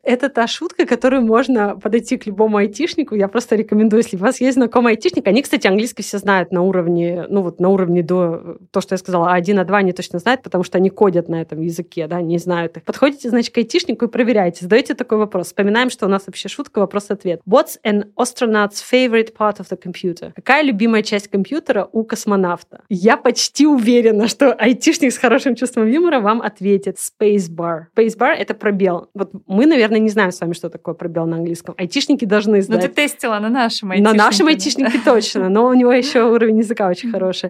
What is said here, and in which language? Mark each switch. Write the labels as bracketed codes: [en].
[ru] Это та шутка, которую можно подойти к любому айтишнику. Я просто рекомендую, если у вас есть знакомый айтишник, они, кстати, английский все знают на уровне, ну вот на уровне до, то, что я сказала, А1, А2 они точно знают, потому что они кодят на этом языке, да, не знают их. Подходите, значит, к айтишнику и проверяйте, задаете такой вопрос. Вспоминаем, что у нас вообще шутка, вопрос-ответ. [en] What's an astronaut's favorite part of the computer? [ru] Какая любимая часть компьютера у космонавта? Я почти уверена, что айтишник с хорошим чувством юмора вам ответит. [en] Spacebar. [ru] Spacebar — это пробел. Вот мы, наверное, не знаем с вами, что такое пробел на английском. Айтишники должны знать. Ну, ты тестила на нашем айтишнике. На нашем айтишнике точно, но у него еще уровень языка очень хороший.